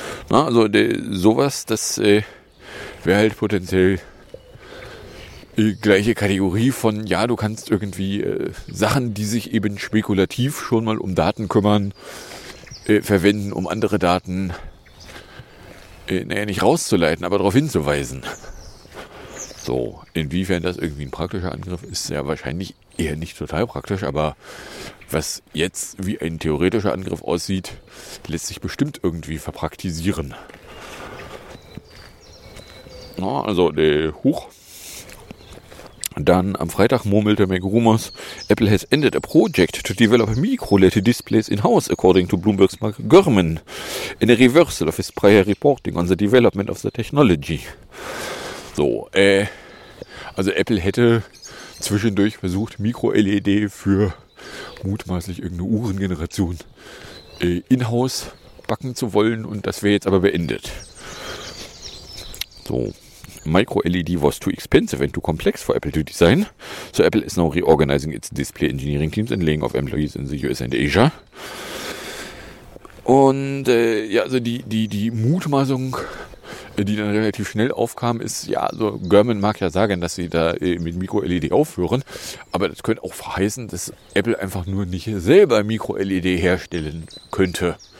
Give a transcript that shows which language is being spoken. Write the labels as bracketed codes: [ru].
[de] Na, also sowas, das wäre halt potenziell gleiche Kategorie von, ja, du kannst irgendwie Sachen, die sich eben spekulativ schon mal um Daten kümmern, verwenden, um andere Daten nicht rauszuleiten, aber darauf hinzuweisen. So, inwiefern das irgendwie ein praktischer Angriff ist, ja wahrscheinlich eher nicht total praktisch, aber was jetzt wie ein theoretischer Angriff aussieht, lässt sich bestimmt irgendwie verpraktisieren. Na, also, dann am Freitag murmelte [en] McRumors, Apple has ended a project to develop micro-LED displays in-house, according to Bloomberg's Mark Gurman, in a reversal of his prior reporting on the development of the technology. [de] So, also Apple hätte zwischendurch versucht, Micro-LED für mutmaßlich irgendeine Uhrengeneration in-house backen zu wollen und das wäre jetzt aber beendet. So. [en] Micro-LED was too expensive and too complex for Apple to design, so Apple is now reorganizing its display engineering teams and laying off employees in the US and Asia. [de] Und die Mutmaßung, die dann relativ schnell aufkam, ist, ja, also Gurman mag ja sagen, dass sie da mit Micro-LED aufhören, aber das könnte auch verheißen, dass Apple einfach nur nicht selber Micro-LED herstellen könnte.